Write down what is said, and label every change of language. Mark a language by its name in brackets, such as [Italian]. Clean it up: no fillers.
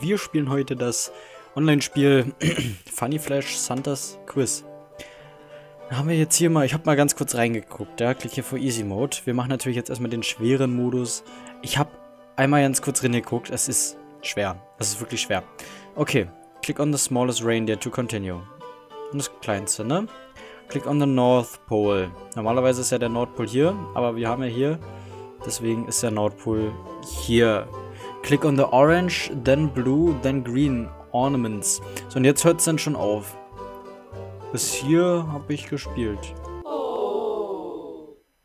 [German] Wir spielen heute das Online-Spiel Funny Flash Santa's Quiz. Haben wir jetzt hier mal, ich habe mal ganz kurz reingeguckt, ja, klick hier vor Easy Mode. Wir machen natürlich jetzt erstmal den schweren Modus. Ich habe einmal ganz kurz reingeguckt, es ist schwer, es ist wirklich schwer. [English] Okay, click on the smallest reindeer to continue. [German] Und das kleinste, ne? [English] Click on the North Pole. [German] Normalerweise ist ja der Nordpol hier, aber wir haben ja hier. Deswegen ist der Nordpol hier. [English] Click on the orange, then blue, then green ornaments. [German] So, und jetzt hört es dann schon auf. Bis hier habe ich gespielt. Oh.